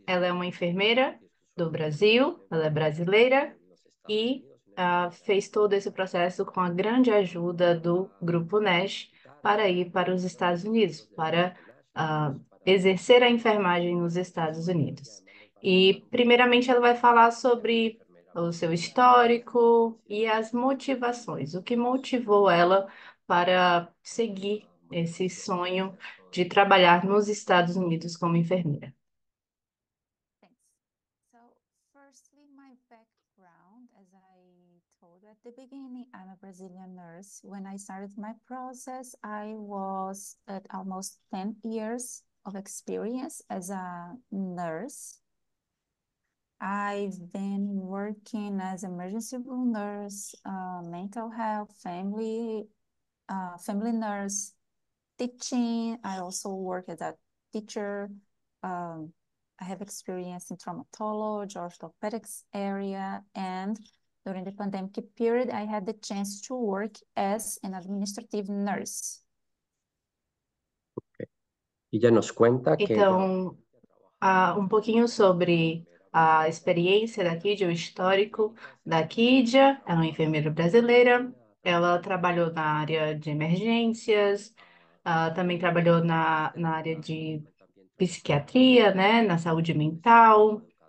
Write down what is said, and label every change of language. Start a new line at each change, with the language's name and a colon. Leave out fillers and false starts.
Portuguese: Ela é uma enfermeira do Brasil, ela é brasileira e fez todo esse processo com a grande ajuda do Grupo NASH para ir para os Estados Unidos, para exercer a enfermagem nos Estados Unidos. E, primeiramente, ela vai falar sobre o seu histórico e as motivações, o que motivou ela para seguir esse sonho de trabalhar nos Estados Unidos como enfermeira.
English: So, firstly, my background, as I told at the beginning, I'm a Brazilian nurse. When I started my process, I was at almost 10 years of experience as a nurse. I've been working as emergency room nurse, mental health, family nurse, teaching. I also work as a teacher. I have experience in traumatology, orthopedics area, and during the pandemic period, I had the chance to work as an administrative nurse.
Portuguese: Okay. E já nos cuenta que... Então, um pouquinho sobre a experiência da Kija, o histórico da Kija. Ela é uma enfermeira brasileira. Ela trabalhou na área de emergências, também trabalhou na área de psiquiatria, né, na saúde mental.